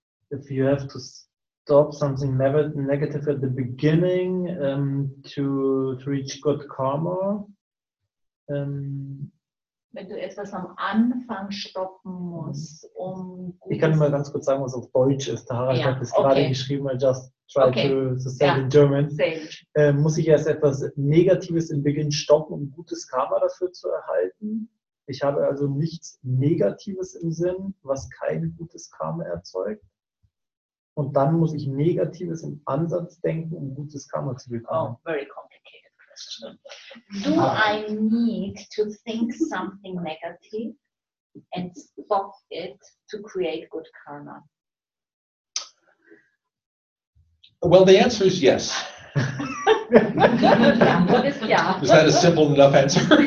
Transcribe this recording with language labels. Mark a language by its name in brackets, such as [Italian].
[English] If you have to stop something negative at the beginning to reach good karma. [German] Wenn du etwas am Anfang stoppen musst, ich kann mal ganz kurz sagen, was auf Deutsch ist. Der Harald hat es gerade geschrieben, I just try to say it in German. Muss ich erst etwas Negatives im Beginn stoppen, um gutes Karma dafür zu erhalten? Ich habe also nichts Negatives im Sinn, was kein gutes Karma erzeugt. Und dann muss ich Negatives im Ansatz denken, um gutes Karma zu bekommen. [English] Oh, very complicated. Do I need to think something negative and stop it to create good karma? Well, the answer is yes. Is that a simple enough answer?